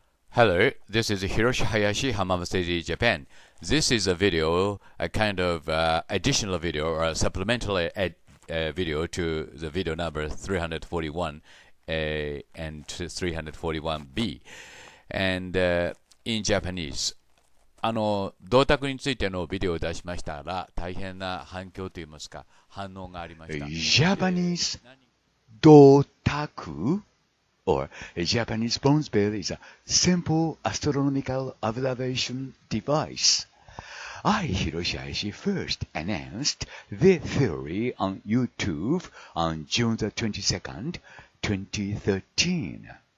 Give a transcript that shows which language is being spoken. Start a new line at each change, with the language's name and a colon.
English: Hello, this is Hiroshi Hayashi, Hamamatsu City, Japan. This is a video, a kind of additional video or a supplemental video to the video number 341A and 341B. And in Japanese,
Japanese: 銅鐸についてのビデオを出しましたら、大変な反響といいますか、反応がありました。
English: Japanese 銅鐸Or, a Japanese bronze bell is a simple astronomical observation device. I, Hiroshi Hayashi, first announced the theory on YouTube on June the 22nd, 2013.